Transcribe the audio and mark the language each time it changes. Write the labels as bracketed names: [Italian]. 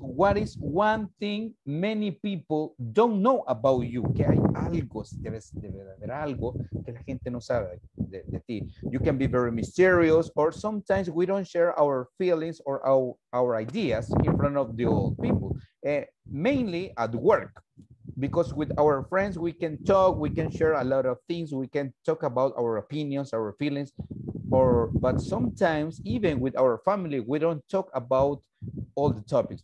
[English] What is one thing many people don't know about you? [Spanish] Que hay algo, debe haber algo que la gente no sabe de ti. [English] You can be very mysterious, or sometimes we don't share our feelings or our ideas in front of the old people, mainly at work. Because with our friends, we can talk, we can share a lot of things, we can talk about our opinions, our feelings, but sometimes, even with our family, we don't talk about all the topics.